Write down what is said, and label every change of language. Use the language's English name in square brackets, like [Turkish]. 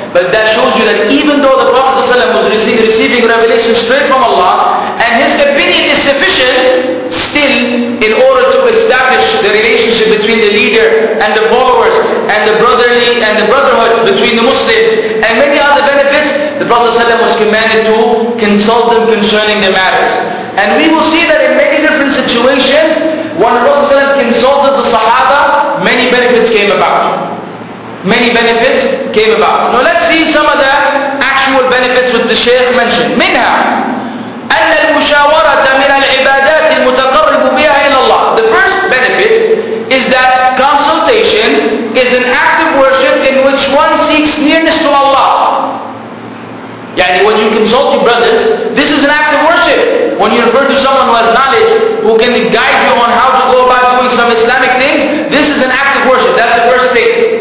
[English] But that shows you that even though the Prophet ﷺ was receiving revelation straight from Allah, and his opinion is sufficient, still, in order to establish the relationship between the leader and the followers, and the brotherly and the brotherhood between the Muslims, and many other benefits, the Prophet ﷺ was commanded to consult them concerning their matters. And we will see that in many different situations, when the Prophet ﷺ consulted the Sahaba, many benefits came about. Many benefits came about. Now let's see some of the actual benefits which the Shaykh mentioned. [Arabic] منها أن المشاورة من العبادات المتقرب بها إلى الله. [English] The first benefit is that consultation is an act of worship in which one seeks nearness to Allah. [Arabic] يعني [English] when you consult your brothers, this is an act of worship. When you refer to someone who has knowledge, who can guide you on how to go about doing some Islamic things, this is an act of worship. That's the first thing.